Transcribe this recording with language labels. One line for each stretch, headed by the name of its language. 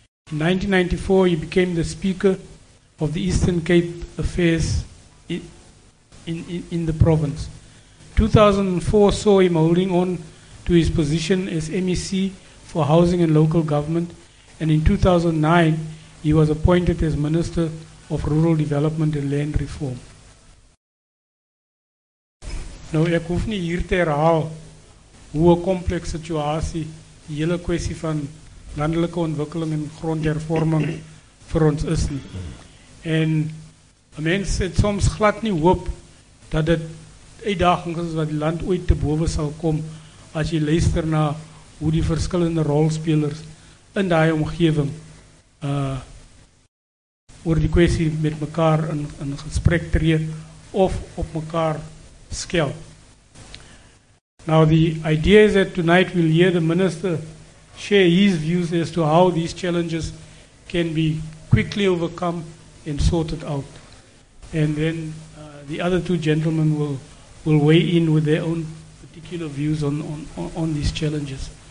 English: In 1994, he became the Speaker of the Eastern Cape Affairs in the province. 2004 saw him holding on to his position as MEC for Housing and Local Government. And in 2009, he was appointed as Minister of Rural Development and Land Reform.
Afrikaans: Nou, ek hoef nie hier te herhaal hoe 'n komplekse situasie die hele kwessie van landelike ontwikkeling en grondhervorming vir ons is nie. En mense het soms glad nie hoop dat dit uitdagings is wat die land ooit te bowe sal kom, as jy luister na hoe die verskillende rolspelers in die omgeving oor die kwestie met mekaar in gesprek tree of op mekaar skel.
English: Now the idea is that tonight we'll hear the minister share his views as to how these challenges can be quickly overcome and sorted out. And then the other two gentlemen will weigh in with their own particular views on these challenges.